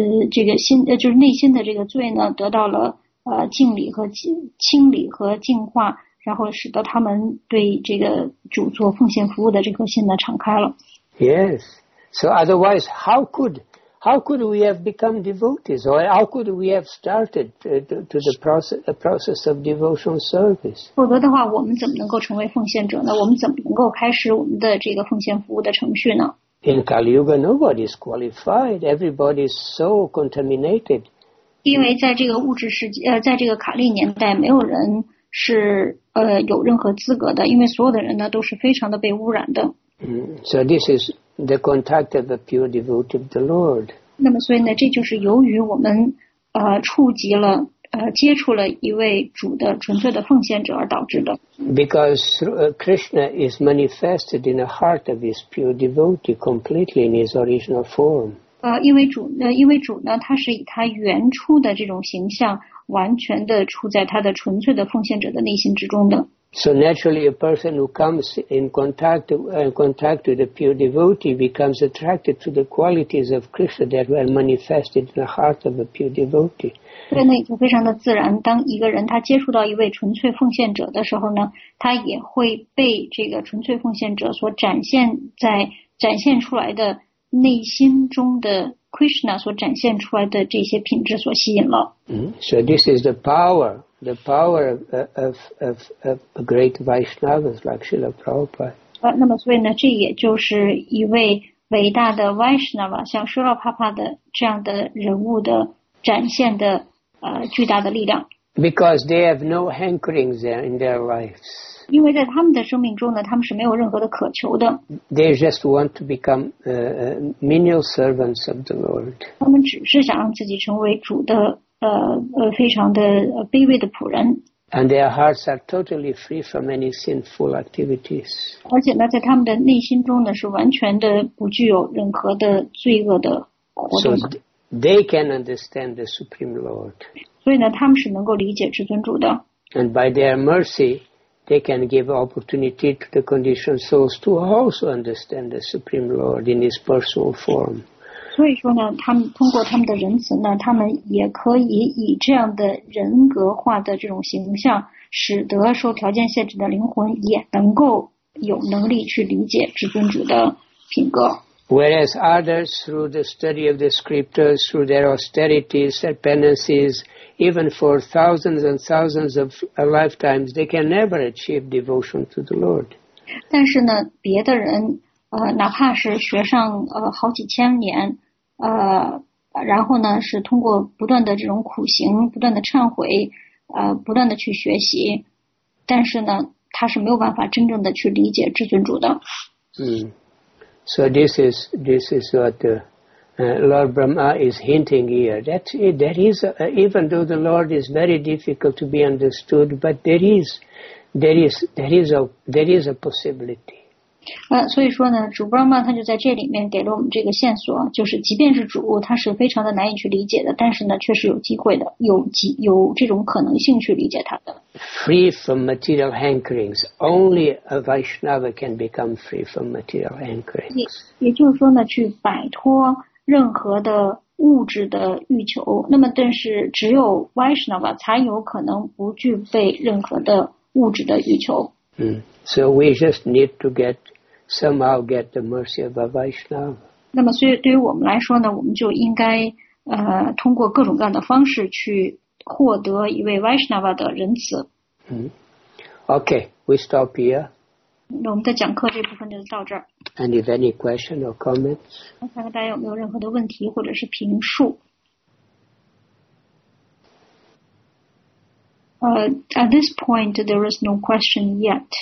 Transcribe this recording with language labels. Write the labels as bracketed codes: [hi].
[zh] 这个心就是内心的这个罪呢，得到了净理和清理和净化，然后使得他们对这个主做奉献服务的这颗心呢敞开了。 [en] Yes, so otherwise, how could we have become devotees, or how could we have started to the process of devotional service? [zh] 否则的话，我们怎么能够成为奉献者呢？我们怎么能够开始我们的这个奉献服务的程序呢？ [en] In Kali Yuga, nobody is qualified. Everybody is so contaminated. [zh] 因为在这个物质世界，在这个卡利年代，没有人是有任何资格的，因为所有的人呢都是非常的被污染的。 [en] So this is the contact of a pure devotee of the Lord. [zh] 那么所以呢，这就是由于我们触及了。接触了一位主的纯粹的奉献者而导致的。 [en] Because Krishna is manifested in the heart of his pure devotee completely in his original form. [zh] 因为主呢，他是以他原初的这种形象，完全的处在他的纯粹的奉献者的内心之中的。 [en] So naturally, a person who comes in contact with a pure devotee becomes attracted to the qualities of Krishna that were manifested in the heart of a pure devotee. [zh] 对，那已经非常的自然。当一个人他接触到一位纯粹奉献者的时候呢，他也会被这个纯粹奉献者所展现出来的内心中的 Krishna 所展现出来的这些品质所吸引了。 [en] So this is the power. The power of a great Vaishnavas like Srila Prabhupada. [zh] 那么所以呢，这也就是一位伟大的 Vaishnava 像 Srila Prabhupada 的这样的人物的展现的巨大的力量。 [en] Because they have no hankerings there in their lives. [zh] 因为在他们的生命中呢，他们是没有任何的渴求的。 [en] They just want to become menial servants of the Lord. [zh] 他们只是想让自己成为主的。非常的卑微的仆人。 [en] And their hearts are totally free from any sinful activities. [zh] 而且呢，在他们的内心中呢，是完全的不具有任何的罪恶的活动。 [en] So they can understand the Supreme Lord. [zh] 所以呢，他们是能够理解至尊主的。 [en] And by their mercy, they can give opportunity to the conditioned souls to also understand the Supreme Lord in his personal form. [zh] 所以说呢，他们通过他们的仁慈呢，他们也可以以这样的人格化的这种形象，使得受条件限制的灵魂也能够有能力去理解至尊主的品格。 [en] Whereas others, through the study of the scriptures, through their austerities, their penances, even for thousands and thousands of lifetimes, they can never achieve devotion to the Lord. [zh] 但是呢，别的人。哪怕是学上好几千年，然后呢是通过不断的这种苦行，不断的忏悔，不断的去学习，但是呢，他是没有办法真正的去理解至尊主的。 [en] So this is what Lord Brahma is hinting here. That is even though the Lord is very difficult to be understood, but there is a possibility. [zh] 所以说呢，主 Brahma 他就在这里面给了我们这个线索，就是即便是主，他是非常的难以去理解的，但是呢，确实有机会的，有这种可能性去理解他的。 [en] Free from material hankerings, only a Vaishnava can become free from material hankerings. [zh] 也就是说呢，去摆脱任何的物质的欲求，那么但是只有 Vaishnava 才有可能不具备任何的物质的欲求。 [en] So we just need to somehow get the mercy of a Vaishnava. [zh] 那么，所以对于我们来说呢，我们就应该通过各种各样的方式去获得一位 Vaishnava 的仁慈。 [en] Okay, we stop here. [zh] 那我们的讲课这部分就到这儿。 [en] And if any question or comments? [zh] 看看大家有没有任何的问题或者是评述。 [en] At this point, there is no question yet.